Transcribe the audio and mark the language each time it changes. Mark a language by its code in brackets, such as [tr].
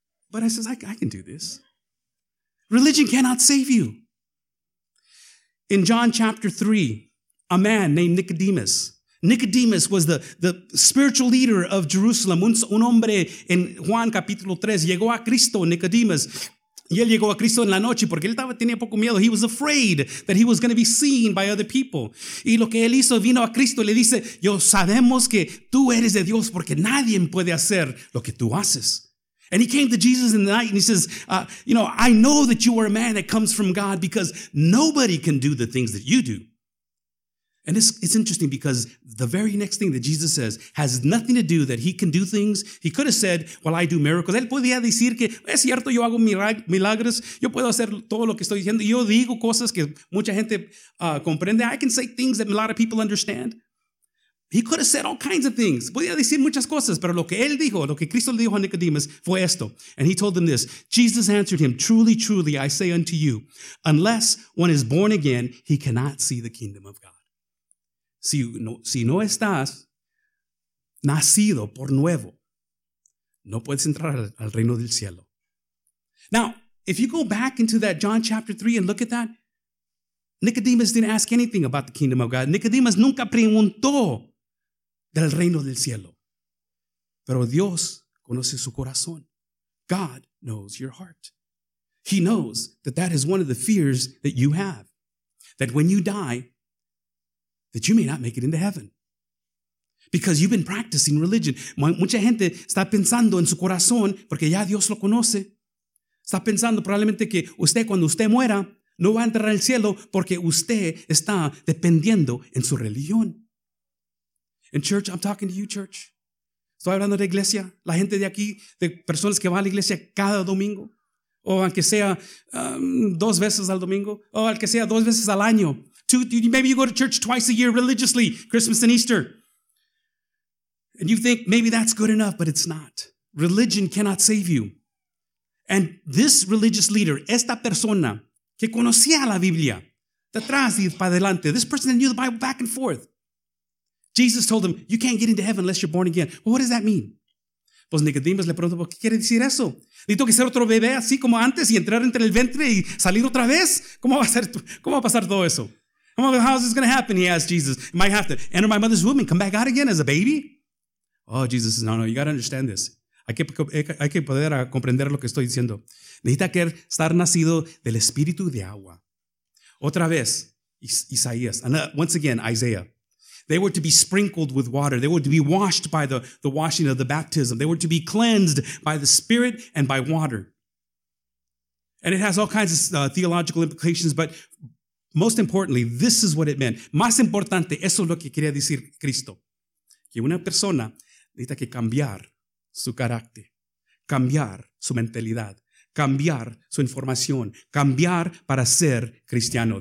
[en] But I says, I can do this. Religion cannot save you. In John chapter 3, a man named Nicodemus. Nicodemus was the spiritual leader of Jerusalem. [es] Un hombre en Juan capítulo 3 llegó a Cristo, Nicodemus. Y él llegó a Cristo en la noche porque él tenía poco miedo. [en] He was afraid that he was going to be seen by other people. [es] Y lo que él hizo, vino a Cristo y le dice, yo sabemos que tú eres de Dios porque nadie puede hacer lo que tú haces. [en] And he came to Jesus in the night and he says, you know, I know that you are a man that comes from God because nobody can do the things that you do. And it's interesting because the very next thing that Jesus says has nothing to do that he can do things. He could have said, well, I do miracles. [es] Él podía decir que es cierto, yo hago milagros. Yo puedo hacer todo lo que estoy diciendo. Yo digo cosas que mucha gente comprende. [en] I can say things that a lot of people understand. He could have said all kinds of things. [es] Podía decir muchas cosas, pero lo que él dijo, lo que Cristo le dijo a Nicodemus fue esto. [en] And he told them this. Jesus answered him, truly, truly, I say unto you, unless one is born again, he cannot see the kingdom of God. [es] Si no estás nacido por nuevo, no puedes entrar al reino del cielo. [en] Now, if you go back into that John chapter 3 and look at that, Nicodemus didn't ask anything about the kingdom of God. [es] Nicodemus nunca preguntó del reino del cielo. Pero Dios conoce su corazón. [en] God knows your heart. He knows that that is one of the fears that you have. That when you die, that you may not make it into heaven. Because you've been practicing religion. [es] Mucha gente está pensando en su corazón porque ya Dios lo conoce. Está pensando probablemente que usted cuando usted muera no va a entrar al cielo porque usted está dependiendo en su religión. [en] And church, I'm talking to you, church. [es] Estoy hablando de iglesia. La gente de aquí, de personas que van a la iglesia cada domingo. O aunque sea dos veces al domingo. O al que sea dos veces al año. [en] Maybe you go to church twice a year religiously, Christmas and Easter. And you think maybe that's good enough, but it's not. Religion cannot save you. And this religious leader, [es] esta persona que conocía la Biblia, de atrás y para adelante, [en] this person that knew the Bible back and forth, Jesus told him, you can't get into heaven unless you're born again. Well, what does that mean? [es] Pues Nicodemus le preguntó, ¿qué quiere decir eso? ¿Tengo que ser otro bebé así como antes y entrar entre el vientre y salir otra vez? ¿Cómo va a pasar todo eso? [en] How is this going to happen? He asked Jesus. I might have to enter my mother's womb and come back out again as a baby. Oh, Jesus says, no, you got to understand this. [es] Hay que poder comprender lo que estoy diciendo. Necesita que estar nacido del espíritu de agua. Otra vez, Isaías. [en] Once again, Isaiah. They were to be sprinkled with water. They were to be washed by the washing of the baptism. They were to be cleansed by the Spirit and by water. And it has all kinds of theological implications, but most importantly, this is what it meant. [es] Más importante, eso es lo que quería decir Cristo. Que una persona necesita que cambiar su carácter, cambiar su mentalidad, cambiar su información, cambiar para ser cristiano.